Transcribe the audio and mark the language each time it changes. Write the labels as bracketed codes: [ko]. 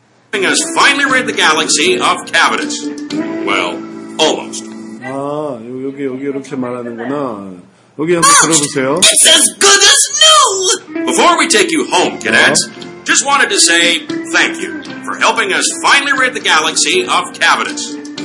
[en] ...thing has finally rid the galaxy of Cavitus. Well, almost. [ko] 아, 여기 이렇게 말하는구나. 여기 한번 [en] Ouch! [ko] 들어보세요. [en] It's as good as new! Before we take you home, cadets, just wanted to say thank you for helping us finally rid the galaxy of Cavitus.